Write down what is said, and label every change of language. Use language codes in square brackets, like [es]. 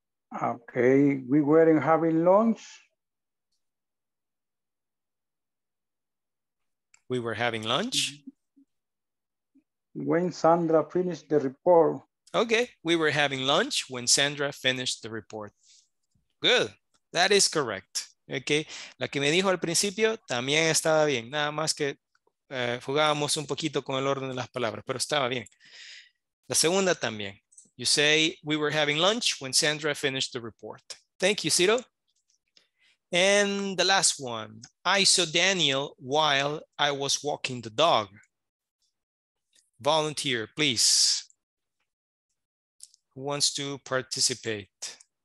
[en] Okay, we weren't having lunch. We were having lunch. When Sandra finished the report. Okay, we were having lunch when Sandra finished the report. Good, that is correct. [es] Okay, la que me dijo al principio también estaba bien, nada más que jugábamos un poquito con el orden de las palabras, pero estaba bien. La segunda también. [en] You say, we were having lunch when Sandra finished the report. Thank you, Ciro. And the last one. I saw Daniel while I was walking the dog. Volunteer, please. Who wants to participate?